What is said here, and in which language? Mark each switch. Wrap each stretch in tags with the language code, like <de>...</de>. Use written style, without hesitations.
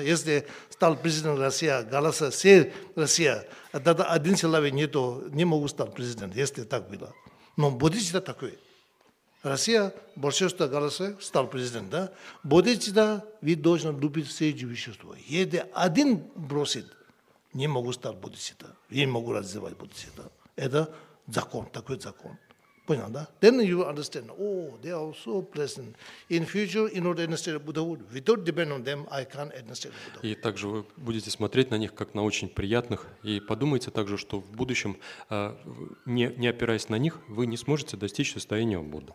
<ru>Если стал президентом России, голоса, все Россия, тогда один человек нету, не могу стать президентом, если так было. Но буддхисиддху такой. Россия, большинство голосов, стал президентом, да? Буддхисиддху, вы должны любить все живущество. Если один бросит, не могу стать буддхисиддху. Я не могу развивать буддхисиддху. Это закон, такой закон. Понял, да?</ru> <en>Then you understand, oh, they are so pleasant. In future, in order to understand Buddhahood, without depend on them, I can't understand Buddhahood.</en> <ru>И также вы будете смотреть на них, как на очень приятных, и подумайте также, что в будущем, не опираясь на них, вы не сможете достичь состояния Будды.</ru>